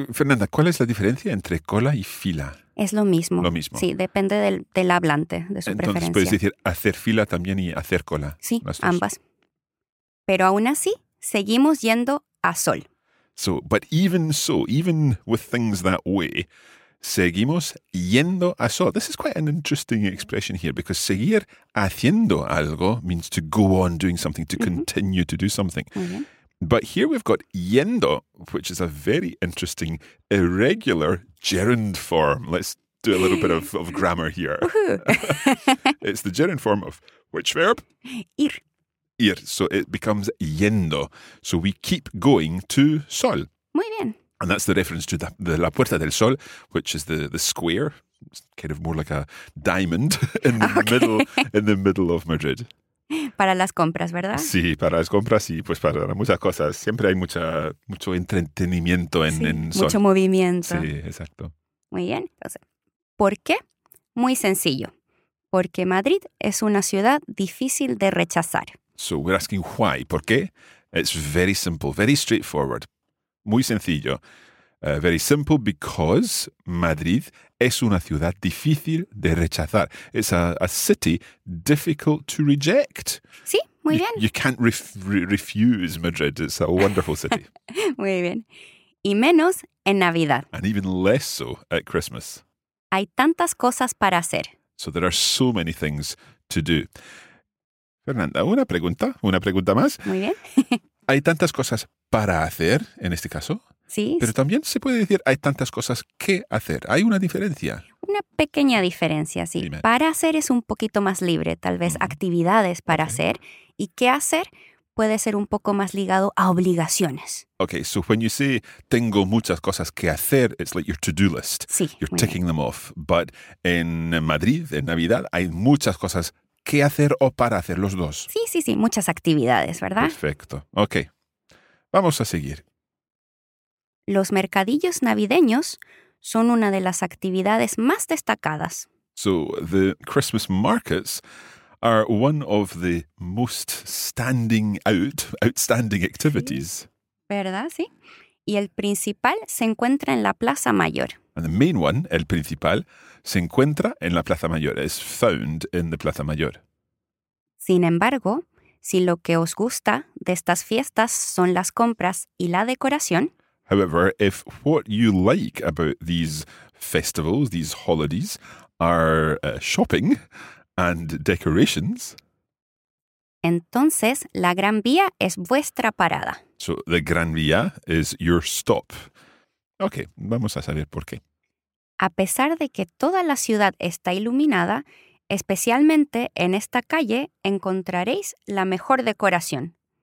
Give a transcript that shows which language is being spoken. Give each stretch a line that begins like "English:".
Spanish: Fernanda, ¿cuál es la diferencia entre cola y fila? Es lo mismo. Lo mismo. Sí, depende del hablante, de su Entonces, preferencia. Puedes decir hacer fila también y hacer cola. Sí, ambas. Pero aún así, seguimos yendo a sol.
English: So, but even so, even with things that way,
Spanish: seguimos yendo a sol.
English: This is quite an interesting expression here because
Spanish: seguir haciendo algo
English: means to go on doing something, to continue to do something. Mm-hmm. But here we've got yendo, which is a very interesting irregular gerund form. Let's do a little bit of grammar here. It's the gerund form of which verb?
Spanish: Ir.
English: Ir. So it becomes yendo. So we keep going to sol.
Spanish: Muy bien.
English: And that's the reference to the La Puerta del Sol, which is the square, kind of more like a diamond in the okay. middle in the middle of Madrid.
Spanish: Para las compras, ¿verdad? Sí, para las compras y pues para muchas cosas. Siempre hay mucho entretenimiento en Sol. Mucho movimiento. Sí, exacto. Muy bien. Entonces, ¿por qué? Muy sencillo. Porque Madrid es una ciudad difícil de rechazar.
English: So we're asking why.
Spanish: ¿Por qué?
English: It's very simple, very straightforward.
Spanish: Muy sencillo.
English: Very simple because
Spanish: Madrid es una ciudad difícil de rechazar.
English: It's a city difficult to reject.
Spanish: Sí, muy bien.
English: You can't refuse Madrid. It's a wonderful city.
Spanish: Muy bien. Y menos en Navidad.
English: And even less so at Christmas.
Spanish: Hay tantas cosas para hacer.
English: So there are so many things to do.
Spanish: Fernanda, una pregunta. Una pregunta más. Muy bien. Hay tantas cosas para hacer, en este caso. Sí. Pero también se puede decir hay tantas cosas que hacer. Hay una diferencia. Una pequeña diferencia, sí. Dime. Para hacer es un poquito más libre, tal vez actividades para hacer. Y qué hacer puede ser un poco más ligado a obligaciones.
English: Okay, so when you say
Spanish: tengo muchas cosas que hacer,
English: it's like your to-do list.
Spanish: Sí.
English: You're ticking them off.
Spanish: But en Madrid, en Navidad, hay muchas cosas que hacer o para hacer, los dos. Sí, sí, sí. Muchas actividades, ¿verdad? Perfecto. Okay. Vamos a seguir. Los mercadillos navideños son una de las actividades más destacadas.
English: So the Christmas markets are one of the most standing out, outstanding activities.
Spanish: Sí. ¿Verdad? Sí. Y el principal se encuentra en la Plaza Mayor.
English: And the main one,
Spanish: el principal, se encuentra en la Plaza Mayor,
English: is found in the Plaza Mayor.
Spanish: Sin embargo, si lo que os gusta de estas fiestas son las compras y la decoración.
English: However, if what you like about these festivals, these holidays, are shopping and decorations.
Spanish: Entonces, la Gran Vía es vuestra parada.
English: So, the Gran Vía is your stop.
Spanish: Ok, vamos a saber por qué. A pesar de que toda la ciudad está iluminada, especialmente en esta calle, encontraréis la mejor decoración.